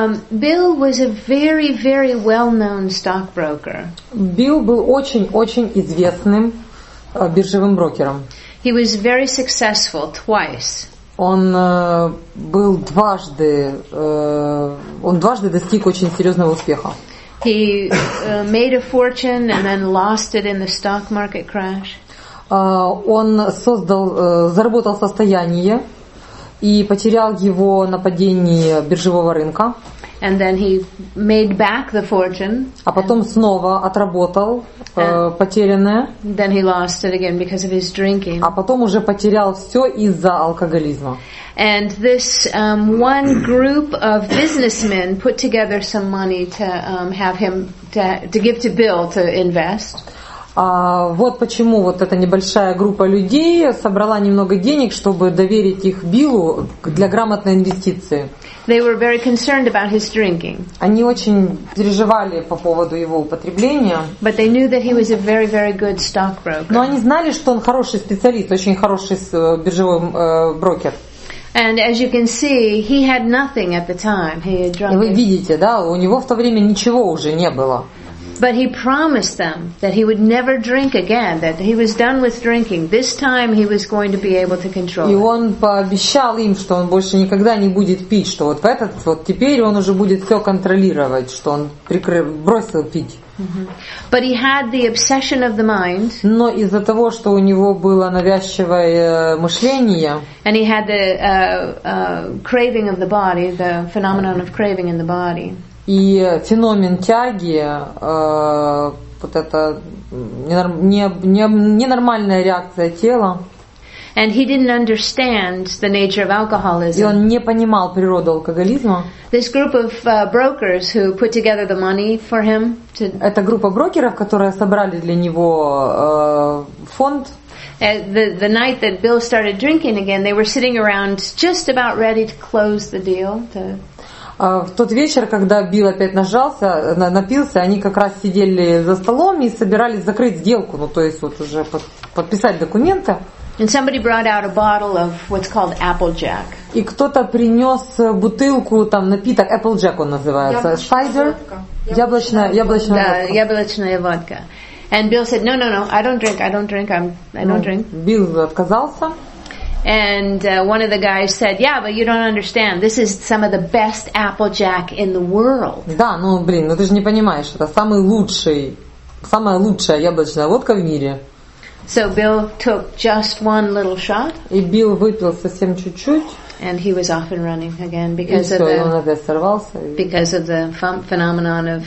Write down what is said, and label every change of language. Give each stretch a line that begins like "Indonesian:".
English: Bill was a very, very well-known stockbroker.
Russian: Bill был очень-очень известным биржевым брокером.
English: He was very successful twice.
Russian: Он был дважды достиг очень серьезного успеха.
English: He made a fortune and then lost it in the stock market crash.
Russian: Он создал, заработал состояние и потерял его на падении биржевого рынка.
English: And then he made back the fortune.
Russian: А потом снова отработал потерянное.
English: Then he lost it again because of his drinking.
Russian: А потом уже потерял все из-за алкоголизма.
English: And this one group of businessmen put together some money to have him to give to Bill to invest.
Russian: Вот почему вот эта небольшая группа людей собрала немного денег, чтобы доверить их Биллу для грамотной инвестиции.
English: They were very concerned about his drinking.
Russian: Они очень переживали по поводу его употребления.
English: But they knew that he was a very, very good stockbroker.
Russian: Но они знали, что он хороший специалист, очень хороший биржевой брокер.
English: And as you can see, he had nothing at the time. He had drunk.
Russian: И вы видите, да, у него в то время ничего уже не было.
English: But he promised them that he would never drink again, that he was done with drinking. This time he was going to be able to control
Russian: it. И он пообещал им, что он больше никогда не будет пить, что вот в этот вот теперь он уже будет все контролировать, что он бросил пить.
English: But he had the obsession of the mind.
Russian: Но из-за того, что у него было навязчивое мышление.
English: And he had the craving of the body, the phenomenon of craving in the body.
Russian: И феномен тяги, вот это ненормальная реакция тела.
English: And he didn't understand the nature of alcoholism.
Russian: И он не понимал природу алкоголизма.
English: This group of brokers who put together the money for him.
Russian: Эта группа брокеров, которые собрали для него фонд.
English: The night that Bill started drinking again, they were sitting around just about ready to close the deal.
Russian: В тот вечер, когда Билл опять напился, они как раз сидели за столом и собирались закрыть сделку, ну то есть вот уже подписать документы.
English: And somebody brought out a bottle of what's called Applejack.
Russian: И кто-то принес бутылку, там напиток Applejack он называется.
English: Cider?
Russian: Яблочная
English: водка. And Bill said, no, I don't drink.
Russian: Билл отказался.
English: And one of the guys said, "Yeah, but you don't understand. This is some of the best Applejack in the world."
Russian: Да, ну, блин, ну ты же не понимаешь, это самая лучшая яблочная водка в мире.
English: So Bill took just one little shot.
Russian: И Билл выпил совсем чуть-чуть.
English: And he was off and running again because of the phenomenon of.